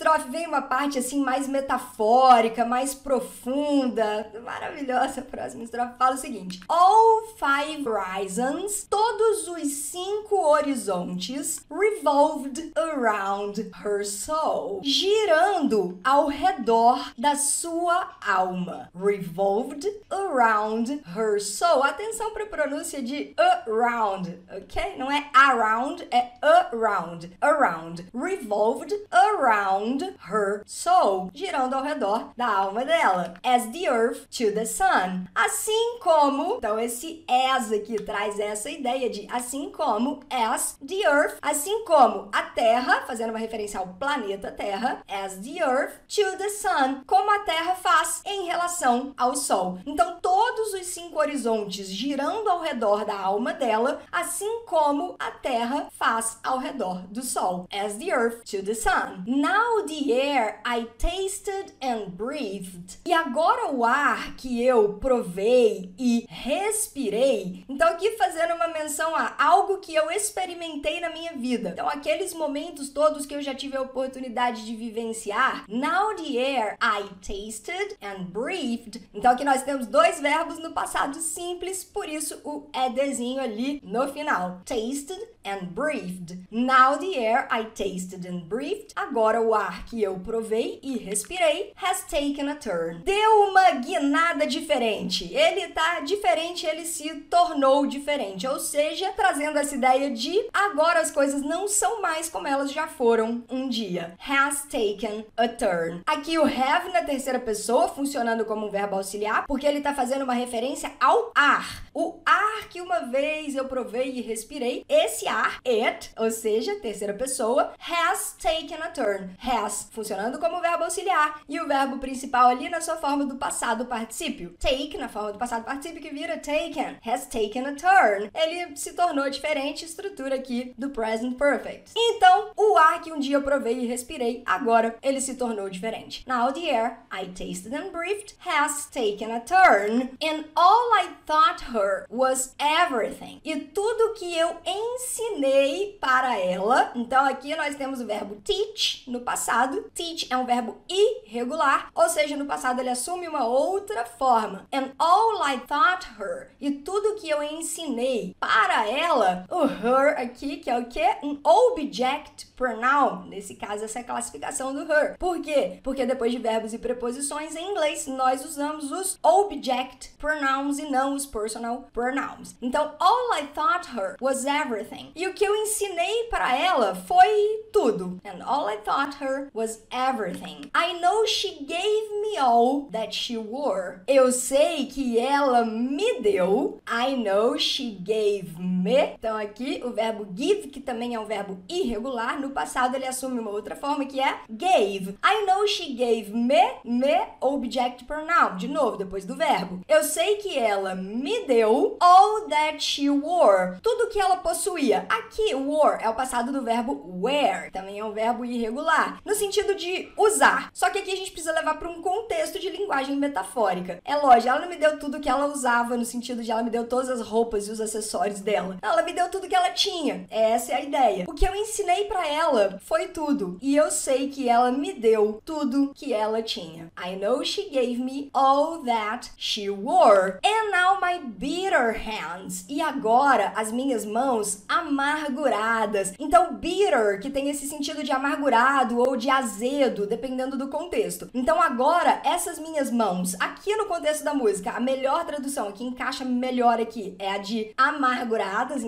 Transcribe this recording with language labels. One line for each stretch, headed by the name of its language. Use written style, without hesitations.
Portuguese: Vem uma parte assim mais metafórica, mais profunda. Maravilhosa a próxima estrofe. Fala o seguinte:
English: All five horizons,
Portuguese: todos os cinco horizontes,
English: revolved around her soul,
Portuguese: girando ao redor da sua alma.
English: Revolved around her soul.
Portuguese: Atenção para a pronúncia de around, ok? Não é around, é around. Around.
English: Revolved around her soul,
Portuguese: girando ao redor da alma dela.
English: As the earth to the sun.
Portuguese: Assim como, então esse as aqui traz essa ideia de assim como,
English: as the earth,
Portuguese: assim como a terra, fazendo uma referência ao planeta terra,
English: as the earth to the sun,
Portuguese: como a terra faz em relação ao sol. Então todos os cinco horizontes girando ao redor da alma dela, assim como a terra faz ao redor do sol.
English: As the earth to the sun. Now the air I tasted and breathed.
Portuguese: E agora o ar que eu provei e respirei. Então aqui fazendo uma menção a algo que eu experimentei na minha vida. Então aqueles momentos todos que eu já tive a oportunidade de vivenciar.
English: Now the air I tasted and breathed.
Portuguese: Então aqui nós temos dois verbos no passado simples, por isso o edzinho ali no final.
English: Tasted and breathed. Now the air I tasted and breathed.
Portuguese: Agora o ar que eu provei e respirei
English: has taken a turn.
Portuguese: Deu uma guinada diferente. Ele tá diferente, ele se tornou diferente. Ou seja, trazendo essa ideia de agora as coisas não são mais como elas já foram um dia.
English: Has taken a turn.
Portuguese: Aqui o have na terceira pessoa funcionando como um verbo auxiliar, porque ele tá fazendo uma referência ao ar. O ar que uma vez eu provei e respirei, esse ar, it, ou seja, terceira pessoa,
English: has taken a turn.
Portuguese: Has, funcionando como verbo auxiliar, e o verbo principal ali na sua forma do passado particípio. Take, na forma do passado particípio, que vira taken.
English: Has taken a turn.
Portuguese: Ele se tornou diferente estrutura aqui do present perfect. Então, o ar que um dia eu provei e respirei, agora ele se tornou diferente.
English: Now the air I tasted and breathed has taken a turn. And all I thought her was everything.
Portuguese: E tudo que eu ensinei para ela. Então aqui nós temos o verbo teach no passado. Teach é um verbo irregular, ou seja, no passado ele assume uma outra forma.
English: And all I taught her.
Portuguese: E tudo que eu ensinei para ela. O her aqui, que é o quê? Um object pronoun. Nesse caso, essa é a classificação do her. Por quê? Porque depois de verbos e preposições, em inglês, nós usamos os object pronouns e não os personal pronouns.
English: Então, all I taught her was everything.
Portuguese: E o que eu ensinei para ela foi tudo.
English: And all I taught her was everything. I know she gave me all that she wore.
Portuguese: Eu sei que ela me deu.
English: I know she gave me.
Portuguese: Então, aqui, o verbo give, que também é um verbo irregular. No passado, ele assume uma outra forma, que é gave.
English: I know she gave me.
Portuguese: Me, object pronoun. De novo, depois do verbo. Eu sei que ela me deu
English: all that she wore.
Portuguese: Tudo que ela possuía. Aqui, wore, é o passado do verbo wear. Também é um verbo irregular. No sentido de usar. Só que aqui a gente precisa levar para um contexto de linguagem metafórica. É lógico, ela não me deu tudo que ela usava, no sentido de ela me deu todas as roupas e os acessórios dela. Ela me deu tudo que ela tinha. Essa é a ideia. O que eu ensinei para ela foi tudo. E eu sei que ela me deu tudo que ela tinha.
English: I know she gave me all that she wore. And now my bitter hands.
Portuguese: E agora as minhas mãos amarguradas. Então, bitter, que tem esse sentido de amargurado ou de azedo, dependendo do contexto. Então, agora, essas minhas mãos, aqui no contexto da música, a melhor tradução que encaixa melhor aqui é a de amarguradas.